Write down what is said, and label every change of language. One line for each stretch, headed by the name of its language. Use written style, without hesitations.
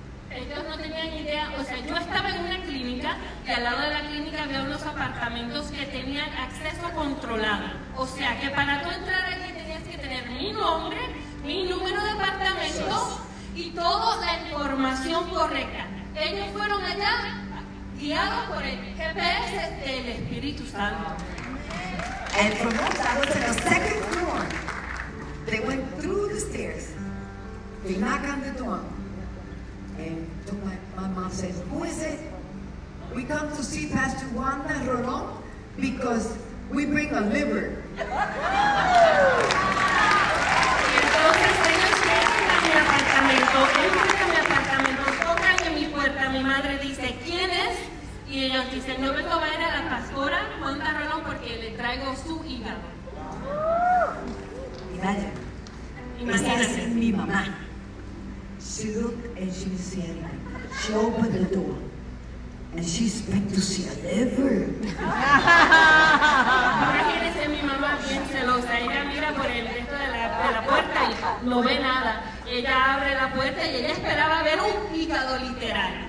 Spanish: Ellos no tenían idea, o sea, yo estaba en una clínica y al lado de la clínica había unos apartamentos que tenían acceso controlado. O sea, que para tú entrar aquí tenías que tener mi nombre, mi número de apartamento y toda la información correcta. Ellos fueron allá guiados por el GPS del Espíritu Santo.
English: And from that, I was in the second floor. They went through the stairs. They knocked on the door. And to my mom says, who is it? We come to see Pastor Wanda Rolón because we bring a liver.
Spanish: Entonces ellos llegan a mi apartamento. Entran a mi apartamento, tocan en mi puerta. Mi madre dice, ¿quién es? Y ellos dicen, yo vengo a ver a la pastora Wanda Rolón porque le traigo su hígado. Imagínate. Esa es mi mamá.
English: She looked and she said, she opened the door and she expected to see a liver.
Spanish: Imagínese mi mamá bien celosa. Ella mira por el resto de la puerta y no ve nada. Ella abre la puerta y ella esperaba ver un hígado literal.